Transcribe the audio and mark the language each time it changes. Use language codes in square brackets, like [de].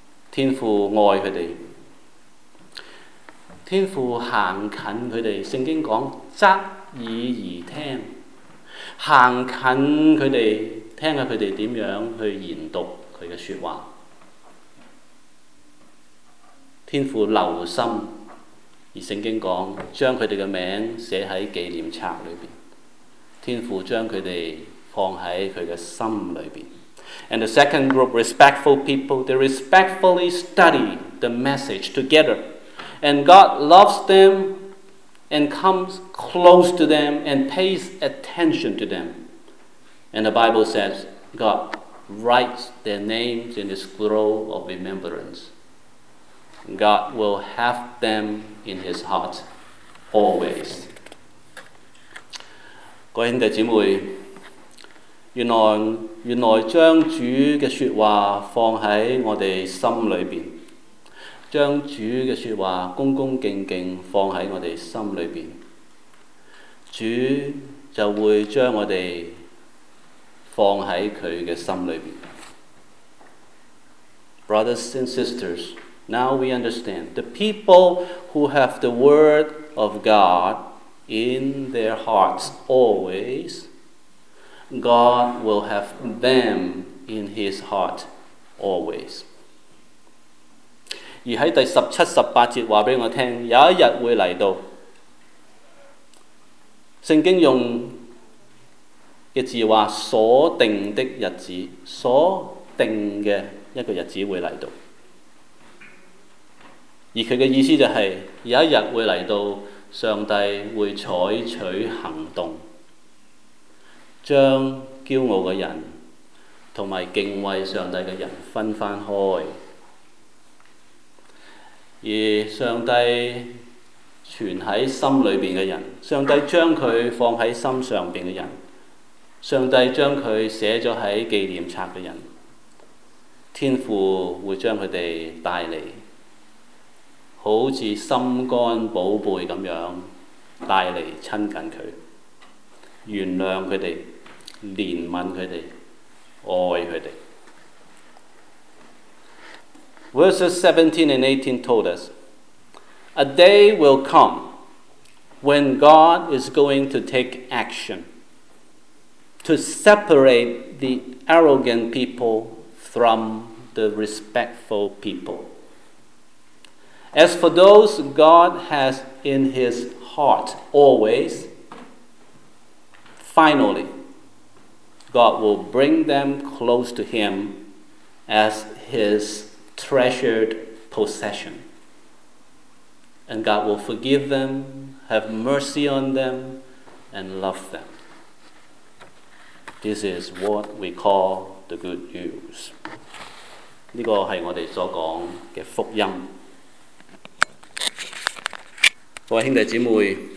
[zh] 天父爱他们，天父走近他们，圣经说侧耳而听，走近他们，听他们怎样去研读他的说话。天父留心，而圣经说将他们的名字写在纪念册里面，天父将他们放在他的心里面。 [en] And the second group, respectful people, they respectfully study the message together. And God loves them and comes close to them and pays attention to them. And the Bible says, God writes their names in the scroll of remembrance. God will have them in his heart always. [zh] 各位兄弟姐妹，原来将主的说话放在我们心里面，将主的说话恭恭敬敬放在我们心里面，主就会将我们放在祂的心里面。 [en] Brothers and sisters, now we understand the people who have the word of God in their hearts always,God will have them in his heart always. [zh] 而在第十七、十八节告诉我，有一日会来到，圣经用的字说所定的日子，所定的一个日子会来到。而他的意思就是，有一日会来到，上帝会采取行动，将骄傲的人同埋敬畏上帝的人分翻开，而上帝存在心里面的人，上帝将他放在心上边的人，上帝将他写咗喺纪念册的人，天父会将他们带嚟，好似心肝宝贝咁样带嚟亲近他，原谅他们，怜悯他们，爱他们。 [en] Verses 17 and 18 told us, A day will come when God is going to take action to separate the arrogant people from the respectful people. As for those God has in his heart always, finally,God will bring them close to him as his treasured possession. And God will forgive them, have mercy on them, and love them. This is what we call the good news. [zh] 这个是我们所讲的福音。各位兄弟姐妹，